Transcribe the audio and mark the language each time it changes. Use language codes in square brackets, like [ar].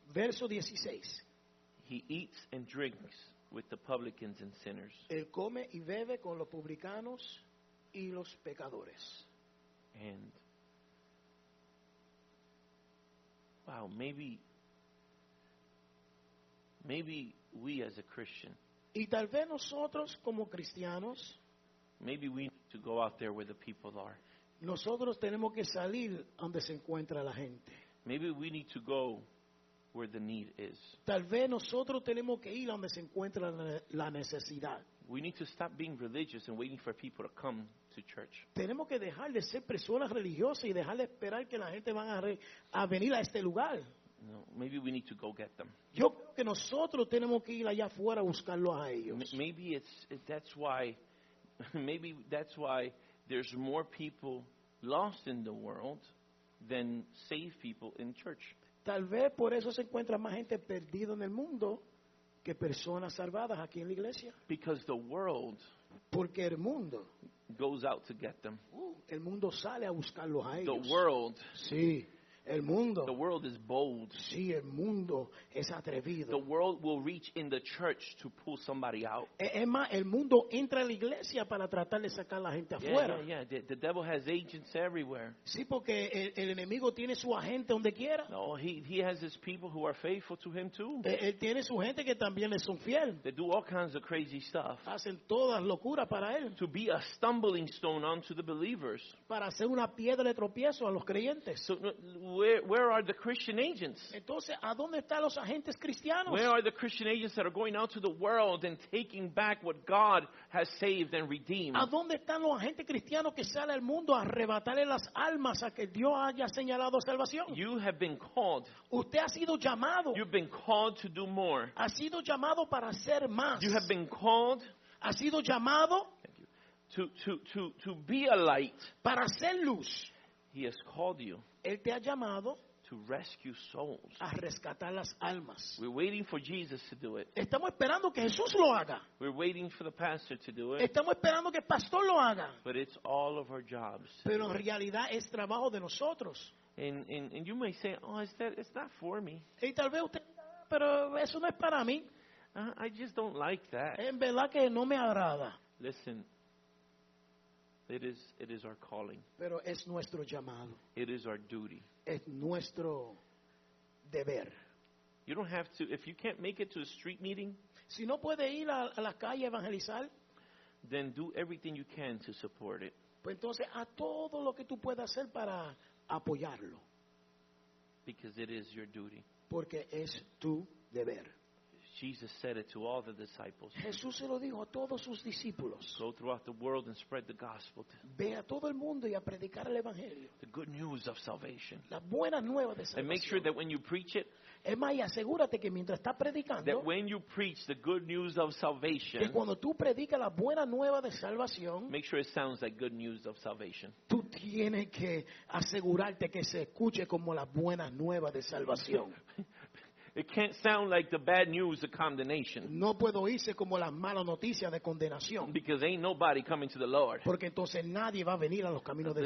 [en] Verse 16. He eats and drinks with the publicans and sinners. [es] Él come y bebe con los publicanos y los pecadores. [en] And wow, maybe we as a Christian, [es] y tal vez nosotros como cristianos, [en] maybe we need to go out there where the people are. [es] Nosotros tenemos que salir donde se encuentra la gente. [en] Maybe we need to go where the need is. [es] Tal vez nosotros tenemos que ir donde se encuentra la necesidad. [en] We need to stop being religious and waiting for people to come to church. [es] Tenemos que dejar de ser personas religiosas y dejar de esperar que la gente van a venir a este lugar. [en] No, maybe we need to go get them. [es] Yo creo que nosotros tenemos que ir allá afuera a buscarlo a ellos. [en] Maybe that's why there's more people lost in the world. than save people in church. [es] Tal vez por eso se encuentra más gente perdida en el mundo que personas salvadas aquí en la iglesia. [en] Because the world [es] porque el mundo [en] goes out to get them. [es] El mundo sale a buscarlos a ellos. [en] The world [es] sí. El mundo. [en] The world is bold. [es] Sí, el mundo es atrevido. [en] The world will reach in the church to pull somebody out. [es] Es más, el mundo entra a la iglesia para tratar de sacar a la gente afuera. [en] Yeah, yeah, yeah. The devil has agents everywhere. [es] Sí, porque el enemigo tiene su agente donde quiera. [en] No, he has his people who are faithful to him too. [es] Él tiene su gente que también le son fiel. [en] They do all kinds of crazy stuff. [es] Hacen todas locuras para él. [en] To be a stumbling stone unto the believers. [es] Para hacer una piedra de tropiezo a los creyentes. [en] So, Where are the Christian agents? [es] Entonces, ¿a dónde están los agentes cristianos? [en] Where are the Christian agents that are going out to the world and taking back what God has saved and redeemed? [es] ¿A dónde están los agentes cristianos que salen al mundo a arrebatarle las almas a que Dios haya señalado salvación? [en] You have been called. [es] Usted ha sido llamado. [en] You've been called to do more. [es] Ha sido llamado para hacer más. [en] You have been called. [es] Ha sido llamado. [en] Thank you. To be a light. [es] Para ser luz. [en] He has called you. [es] Él te ha llamado [en] to rescue souls. [es] A rescatar las almas. [en] We're waiting for Jesus to do it. [es] Estamos esperando que Jesús lo haga. [en] We're waiting for the pastor to do it. [es] Estamos esperando que el pastor lo haga. [en] But it's all of our jobs. [es] Pero en realidad es trabajo de nosotros. [en] And you may say, oh, it's not for me. [es] Y tal vez usted, pero eso no es para mí. [en] I just don't like that. [es] En verdad que no me agrada. [en] Listen. It is our calling. [es] Pero es nuestro llamado. [en] It is our duty. [es] Es nuestro deber. [en] You don't have to, if you can't make it to a street meeting, [es] si no puede ir a la calle a evangelizar, [en] then do everything you can to support it. [es] Pues entonces, a todo lo que tú puedas hacer para apoyarlo. [en] Because it is your duty. [es] Porque es tu deber. [en] Jesus said it to all the disciples. [es] Jesús se lo dijo a todos sus discípulos. [en] Go throughout the world and spread the gospel. [es] Ve a todo el mundo y a predicar el evangelio. [en] The good news of salvation. [es] La buena nueva de salvación. [en] And make sure that when you preach it. [es] Es más, y asegúrate que mientras estás predicando. [en] That when you preach the good news of salvation. [es] Que cuando tú predicas la buena nueva de salvación. [en] Make sure it sounds like good news of salvation. [es] Tú tienes que asegurarte que se escuche como la buena nueva de salvación. [en] It can't sound like the bad news of condemnation. [es] No puedo irse como las malas noticias de condenación. [en] Because ain't nobody coming to the Lord. [es] Porque entonces nadie va a venir a los caminos del